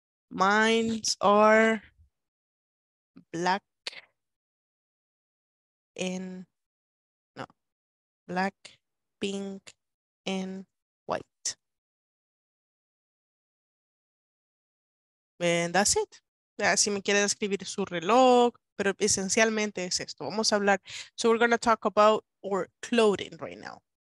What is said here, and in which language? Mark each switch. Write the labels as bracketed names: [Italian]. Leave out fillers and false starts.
[English] Mines are black and black, pink, and white. And that's it. [Spanish] Si me quiere describir su reloj, pero esencialmente es esto. Vamos a hablar. [English] So we're going to talk about our clothing right now.